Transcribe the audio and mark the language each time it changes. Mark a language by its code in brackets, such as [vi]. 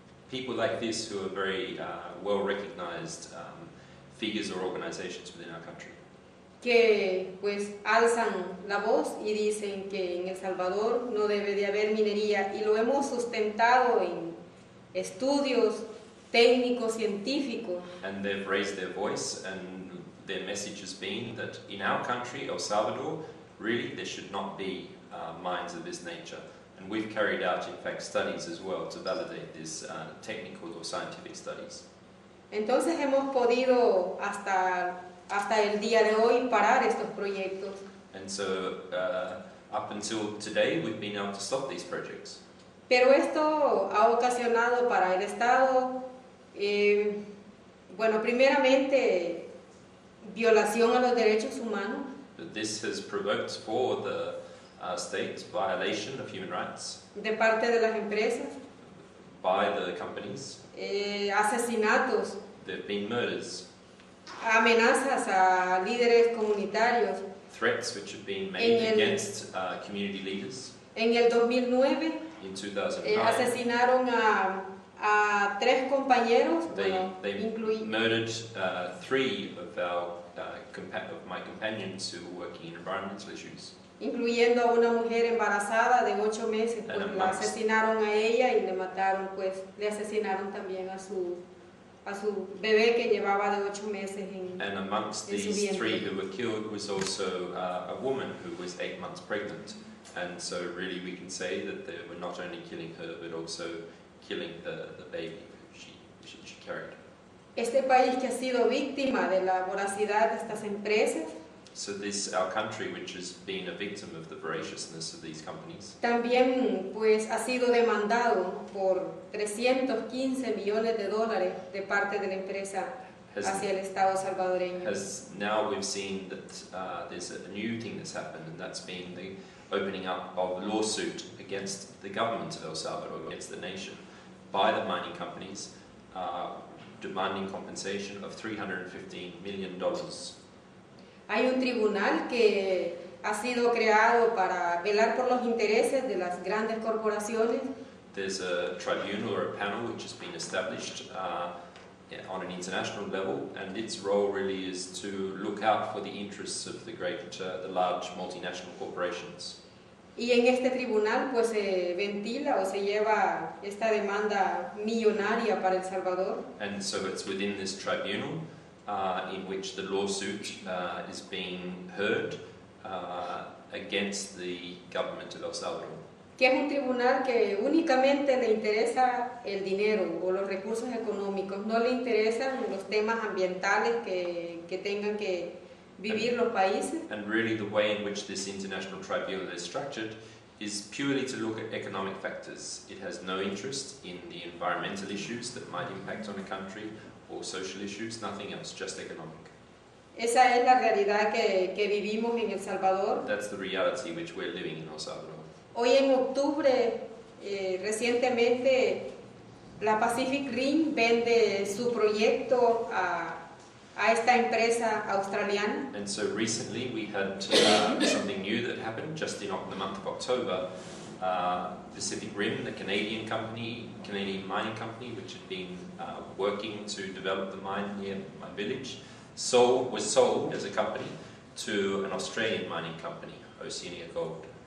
[en] People like this who are very well recognized figures or organizations within our country. [es] Que pues alzan la voz y dicen que en El Salvador no debe de haber minería, y lo hemos sustentado en estudios técnicos científicos. [en] And they've raised their voice, and their message has been that in our country, El Salvador, really there should not be mines of this nature. And we've carried out, in fact, studies as well to validate these technical or scientific studies. [es] Entonces hemos podido hasta el día de hoy parar estos proyectos. [en] And so up until today we've been able to stop these projects. [es] Pero esto ha ocasionado para el Estado, bueno, primeramente violación a los derechos humanos. [en] But this has provoked for the state violation of human rights. [es] De parte de las empresas. [en] By the companies. [es] Asesinatos. [en] There have been murders. [es] Amenazas a líderes comunitarios. [en] Threats which have been made against community leaders. [es] En el 2009. [en] In 2009. [es] Asesinaron a tres compañeros. [en] They murdered three of our of my companions who were working in environmental issues. [es] Incluyendo a una mujer embarazada de 8 meses, pues la asesinaron a ella y le mataron, pues le asesinaron también a su bebé que llevaba de 8 meses en su vientre. [en] And amongst these three who were killed was also a woman who was 8 months pregnant. And so really we can say that they were not only killing her, but also killing the baby she carried. [es] Este país que ha sido víctima de la voracidad de estas empresas. [en] So this, our country, which has been a victim of the voraciousness of these companies. [es] También, pues, ha sido demandado por 315 millones de dólares de parte de la empresa hacia el Estado salvadoreño. [en] Has now we've seen that there's a new thing that's happened, and that's been the opening up of a lawsuit against the government of El Salvador, against the nation, by the mining companies, demanding compensation of $315 million. [es] Hay un tribunal que ha sido creado para velar por los intereses de las grandes corporaciones. [en] There's a tribunal or a panel which has been established on an international level, and its role really is to look out for the interests of the great, the large multinational corporations. [es] Y en este tribunal pues se ventila o se lleva esta demanda millonaria para El Salvador. [en] And so it's within this tribunal in which the lawsuit is being heard against the government of El Salvador. [es] Que es un tribunal que únicamente le interesa el dinero o los recursos económicos, no le interesan los temas ambientales que tengan que vivir los países. [en] And really the way in which this international tribunal is structured is purely to look at economic factors. It has no interest in the environmental issues that might impact on a country, or social issues, nothing else, just economic. [es] Esa es la realidad que vivimos en El Salvador. [en] That's the reality which we're living in El Salvador. [es] Hoy en octubre, recientemente, la Pacific Rim vende su proyecto a esta empresa australiana. [en] And so recently we had something new that happened just in the month of October. Pacific Rim, the Canadian company, Canadian mining company, which had been working to develop the mine near my village, was sold as a company to an Australian mining company, Oceana Gold.